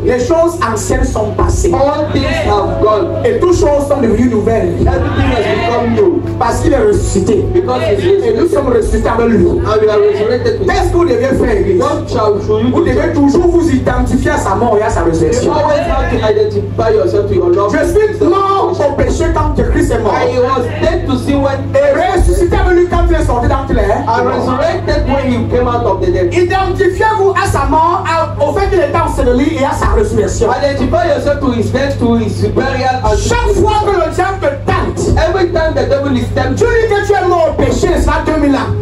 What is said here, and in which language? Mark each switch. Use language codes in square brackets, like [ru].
[fr] les choses anciennes sont passées. [en] All things have gone. [fr] Et toutes choses sont devenues nouvelles. [en] Everything has become new. [fr] Parce qu'il est ressuscité. [en] Because [fr] nous sommes ressuscités avec lui. [en] And we are resurrected with. [fr] Qu'est-ce que vous devez faire, Église? [en] What shall you do? [fr] Vous devez toujours vous identifier à sa mort et à sa résurrection. [en] You always have to identify yourself to your love. [fr] Je suis mort au péché. Quand Christ est mort, [en] and he was dead to sin when [fr] et ressuscité avec lui quand il est sorti dans le [en] and resurrected when he came out of the dead. [fr] Identifiez-vous à sa mort, au fait qu'il est enseveli et à sa résurrection. [en] Identify yourself to his death, to his burial. [fr] Chaque fois que le diable tente, [en] every time the devil is tempted, [fr] tu lui dis que tu es mort au péché, ça 2000 ans.